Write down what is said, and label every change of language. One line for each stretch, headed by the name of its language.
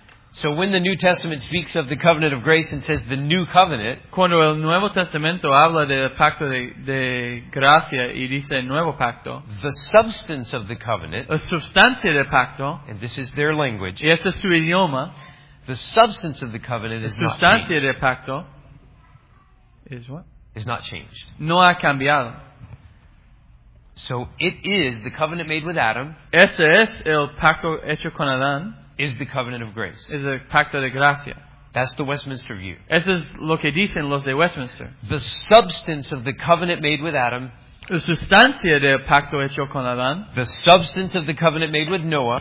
English: So when the New Testament speaks of the covenant of grace and says the new covenant,
Spanish: cuando el Nuevo Testamento habla del pacto de gracia y dice nuevo pacto,
English: the substance of the covenant,
Spanish: la sustancia del pacto,
English: and this is their language,
Spanish: y este es su idioma,
English: the substance of the covenant is not changed.
Spanish: La sustancia del pacto
English: is what? Is not changed.
Spanish: No ha cambiado.
English: So it is the covenant made with Adam.
Spanish: Este es el pacto hecho con Adán.
English: Is the covenant of grace.
Spanish: Es el pacto de gracia.
English: That's the Westminster view.
Spanish: Eso es lo que dicen los de Westminster.
English: The substance of the covenant made with Adam.
Spanish: La sustancia del pacto hecho con Adán.
English: The substance of the covenant made with Noah.